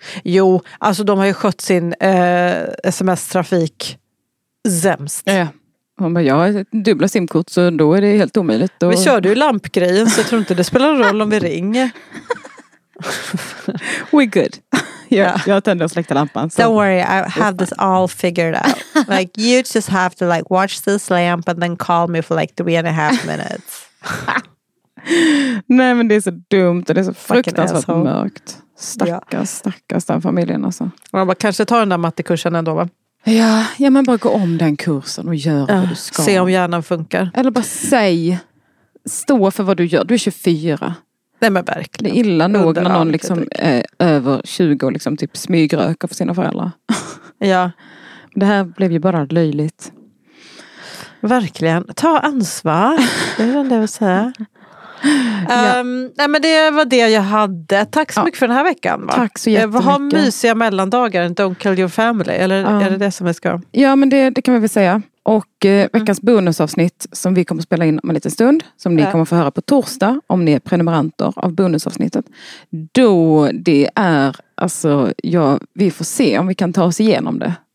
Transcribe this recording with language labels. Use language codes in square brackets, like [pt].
[sv] Jo, alltså de har ju skött sin sms-trafik sämst. Ja, ja. Hon bara, jag har ett dubbla simkort så då är det helt omöjligt. Vi körde ju lampgrejen så jag tror inte det spelar någon roll om vi ringer. [en] We're good. Yeah. [sv] Jag tände och släckte lampan. Så. [en] Don't worry, I have this all figured out. Like, you just have to like watch this lamp and then call me for like 3.5 minutes. [sv] Nej men det är så dumt och det är så fruktansvärt mörkt. Stackars den familjen alltså. Man bara, kanske ta den där mattekursen ändå va? Ja, men bara gå om den kursen och gör vad du ska. Se om hjärnan funkar. Eller bara säg, stå för vad du gör. Du är 24. Nej men verkligen. Det är illa nog när någon liksom är över 20 och liksom typ smygröker för sina föräldrar. Ja. Det här blev ju bara löjligt. Verkligen. Ta ansvar. Det är väl det att säga. Ja. Nej men det var det jag hade. Tack så mycket för den här veckan va? Tack så jättemycket. Ha mysiga mellandagar, [en] don't kill your family. [sv] Eller är det det som jag ska? Ja men det kan vi väl säga. Och veckans bonusavsnitt som vi kommer spela in om en liten stund, som ni kommer få höra på torsdag om ni är prenumeranter av bonusavsnittet. Då det är alltså, ja, vi får se om vi kan ta oss igenom det.